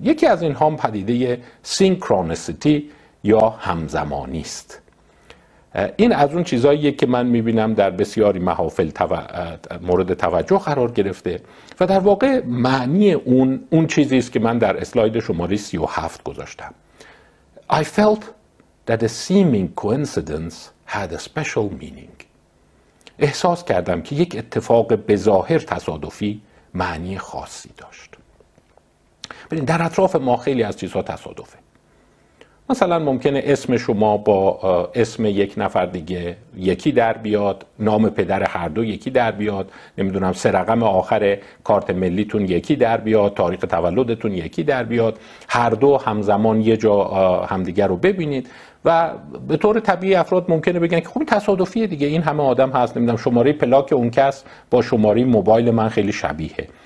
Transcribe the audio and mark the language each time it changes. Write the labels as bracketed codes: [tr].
[fa] یکی از اینها پدیده سینکرونیسیتی یا همزمانی است. این از اون چیزاییه که من میبینم در بسیاری محافل مورد توجه قرار گرفته و در واقع معنی اون چیزی است که من در اسلاید شماره 37 گذاشتم. [en] I felt that a seeming coincidence had a special meaning. [fa] احساس کردم که یک اتفاق به ظاهر تصادفی معنی خاصی داشت. ببین در اطراف ما خیلی از چیزها تصادفه. مثلا ممکنه اسم شما با اسم یک نفر دیگه یکی در بیاد، نام پدر هر دو یکی در بیاد، نمیدونم سه رقم آخر کارت ملیتون یکی در بیاد، تاریخ تولدتون یکی در بیاد، هر دو همزمان یه جا همدیگر رو ببینید و به طور طبیعی افراد ممکنه بگن که خب این تصادفیه دیگه، این همه آدم هست، نمیدونم شماره پلاک اون کس با شماره موبایل من خیلی شبیهه،